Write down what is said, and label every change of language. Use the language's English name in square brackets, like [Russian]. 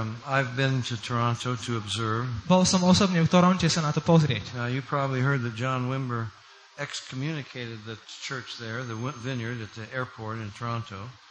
[English] I've been to Toronto to observe. [Slovak] Bol som osobne v Toronte sa na to pozrieť. [English] You probably heard that John Wimber excommunicated the church there, the vineyard at the airport in Toronto.